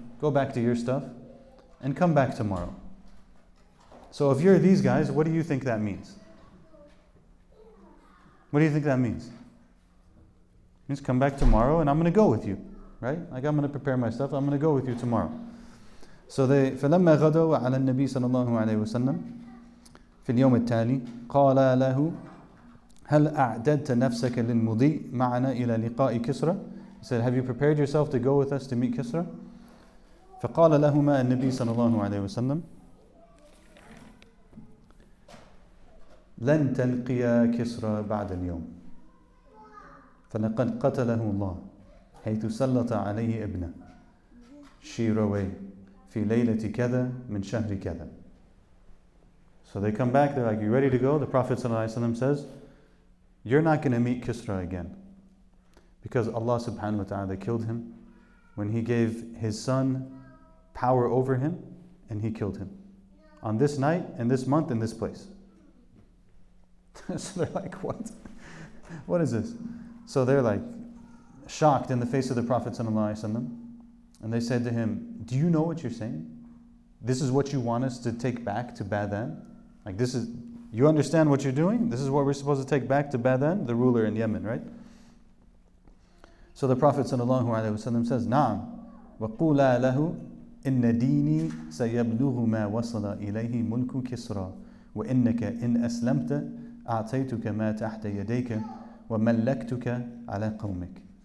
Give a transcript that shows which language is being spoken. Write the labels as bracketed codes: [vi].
[en] Go back to your stuff and come back tomorrow. So if you're these guys, what do you think that means? What do you think that means? It means come back tomorrow and I'm going to go with you, right? Like I'm going to prepare my stuff, I'm going to go with you tomorrow. So they, [ar] فَلَمَّا غَدَوْا عَلَى النَّبِي صَلَى اللَّهُ عَلَيْهِ وَسَلَّمْ فِي الْيَوْمِ التَّالِي قَالَ لَهُ هل أعددت نفسك للمضي معنا إلى لقاء كسرى؟ [en] He said, have you prepared yourself to go with us to meet Kisra? [ar] فقال لهما النبي صلى الله عليه وسلم لن تلقيا كسرى بعد اليوم فلقد قتله الله حيث سلط عليه ابنه شيروي في ليلة كذا من شهر كذا. [en] So they come back, they're like, you ready to go? The Prophet says, you're not going to meet Kisra again. Because Allah subhanahu wa ta'ala killed him when he gave his son power over him, and he killed him. On this night, in this month, in this place. So they're like, what? What is this? So they're like, shocked in the face of the Prophet sallallahu alayhi wa sallam. And they said to him, do you know what you're saying? This is what you want us to take back to Badan? Like this is, you understand what you're doing? This is what we're supposed to take back to Badan, the ruler in Yemen, right? So the Prophet sallallahu alayhi wa sallam says, Naam, [ar] وَقُولَا لَهُ إِنَّ دِينِي سَيَبْلُغُ مَا وَصَلَ إِلَيْهِ مُلْكُ كِسْرَى وَإِنَّكَ إِنْ أَسْلَمْتَ أَعْطَيْتُكَ مَا تَحْتَ يَدَيْكَ وَمَلَّكْتُكَ عَلَى قَوْمِكَ.